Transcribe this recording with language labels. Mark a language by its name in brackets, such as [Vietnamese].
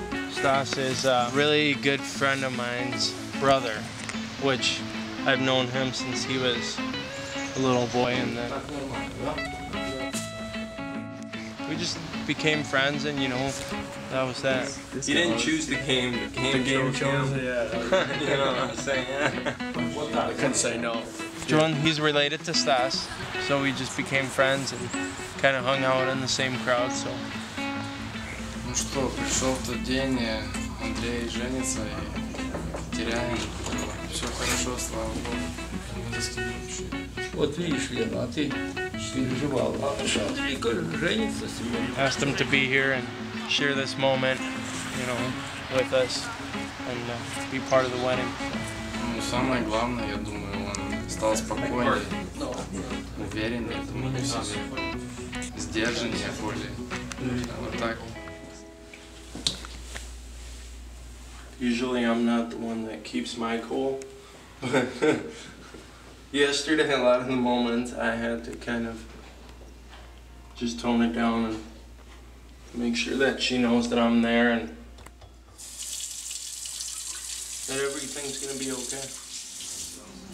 [English] Stas is a really good friend of mine's brother, which I've known him since he was a little boy, and then we just became friends, and you know, that was that. He didn't choose the game. The game chose him. You know what I'm saying? I couldn't say no. John, he's related to Stas, so we just became friends and kind of hung out in the same crowd, so. [Russian] Ну что, пришел тот день, Андрей женится, и теряем. Все хорошо, слава Богу. Вот видишь, Лена, а ты переживал. Андрей женится сегодня. [English] Asked him to be here and share this moment, you know, with us, and be part of the wedding. [Russian] Ну, самое главное, я думаю, он стал спокойнее, увереннее, думаю, сдержаннее более. Вот так. [English] Usually I'm not the one that keeps my cool, but yesterday a lot of the moments I had to kind of just tone it down and make sure that she knows that I'm there and that everything's gonna be okay.